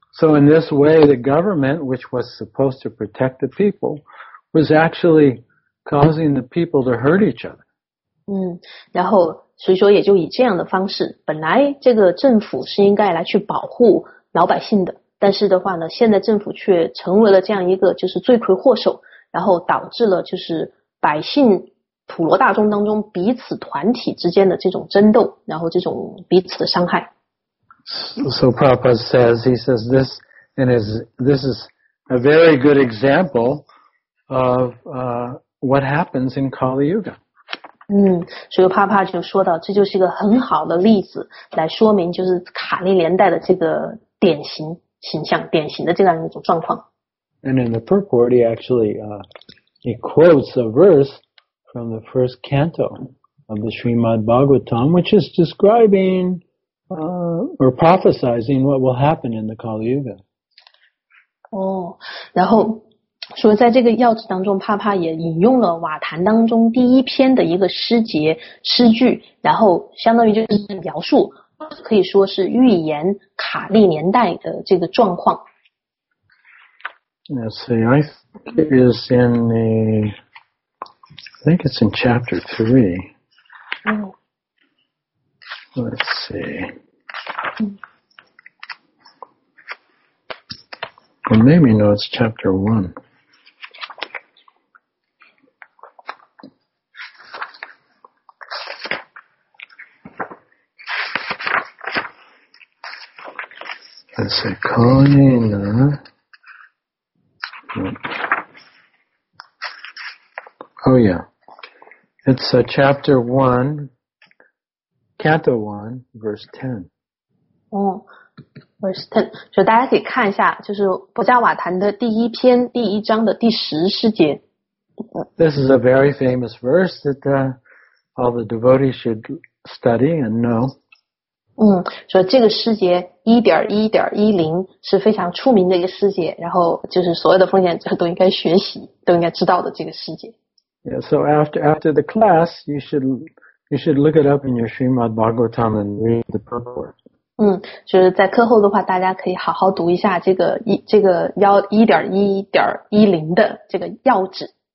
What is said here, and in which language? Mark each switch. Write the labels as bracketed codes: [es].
[en] So in this way the government which was supposed to protect the people was actually causing the people to hurt each other. [zh] 然后所以说也就以这样的方式，本来这个政府是应该来去保护老百姓的，但是的话呢，现在政府却成为了这样一个就是罪魁祸首，然后导致了就是百姓普罗大众当中彼此团体之间的这种争斗，然后这种彼此的伤害。 [en] So Prabhupada says, he says this, and this is a very good example of what happens in Kali Yuga. [zh] 所以帕帕就说到这就是一个很好的例子来说明就是卡利年代的这个典型形象典型的这样一种状况。 [en] And in the purport, he actually, he quotes a verse from the first canto of the Srimad Bhagavatam, which is describing, or prophesizing what will happen in the Kali Yuga. [zh] 然后所以在这个要旨当中帕帕也引用了瓦坛当中第一篇的一个诗节诗句然后相当于就是描述可以说是预言卡利年代的这个状况。 [en] Let's see, I think it is in the, I think it's in chapter 3. Let's see. Or maybe no, it's chapter 1. It's a Kali Yuga. Oh, yeah. It's a chapter 1, canto 1, verse 10. Verse 10. [zh] 就大家可以看一下就是波迦瓦坛的第一篇第一章的第十诗节。 [en] This is a very famous verse that all the devotees should study and know. [zh] 所以这个诗节 1.1.10 是非常出名的一个诗节然后就是所有的奉献者都应该学习都应该知道的这个诗节。 [en] Yeah, so after the class, you should look it up in your Srimad Bhagavatam and read the purport. [zh] 就是在课后的话大家可以好好读一下这个 1.1.10 的这个要旨。